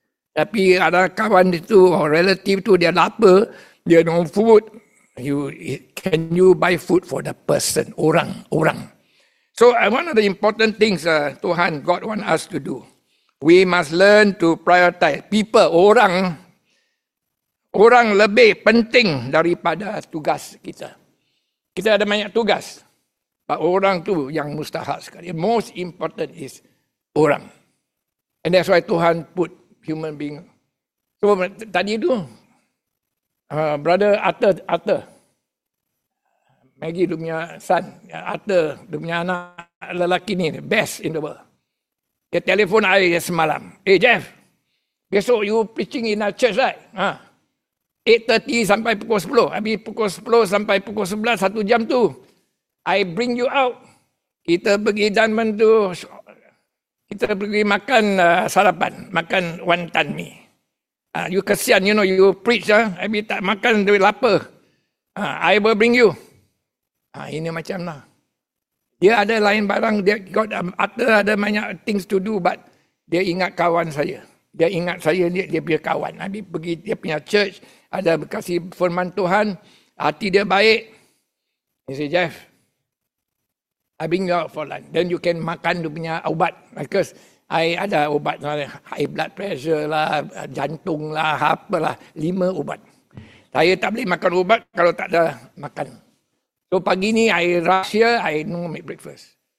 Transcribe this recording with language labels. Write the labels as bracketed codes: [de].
[ms] Tapi ada kawan itu, [en] or relative [ms] itu, dia lapar, dia [en] no food. Can you buy food for the person, orang? So one of the important things Tuhan, God want us to do. We must learn to prioritize people, orang. [ms] Orang lebih penting daripada tugas kita. Kita ada banyak tugas. But orang tu yang mustahak sekali. [en] Most important is orang. And that's why Tuhan put human being. [ms] So tadi tu, Brother Arthur. Maggie, dia punya son. Arthur, dia punya anak lelaki ni. [en] Best in the world. [ms] Dia telefon saya semalam. [en] Hey Jeff, besok you preaching in a church, right? [ms] 8:30 sampai pukul 10. Habis pukul 10 sampai pukul 11, satu jam tu. [en] I bring you out. [ms] Kita pergi Dunman tu. Kita pergi makan sarapan. Makan wonton mee. [en] You kesian, you know, you preach. [ms] Habis tak makan, dia lapar. [en] I will bring you. [ms] Ini macam lah. Dia ada lain barang. Dia [en] got other, [ms] ada banyak [en] things to do. [ms] But dia ingat kawan saya. Dia ingat saya, dia punya kawan. Habis pergi dia punya church. Ada berkasi firman Tuhan. Hati dia baik. [en] He say, Jeff, I bring you out for lunch. Then you can [ms] makan dia punya ubat. [en] Because I [ms] ada ubat. [en] High blood pressure [ms] lah. Jantung lah. Apalah. 5 ubat. Saya tak boleh makan ubat kalau tak ada makan. So pagi ni [en] I rush here, I no make breakfast.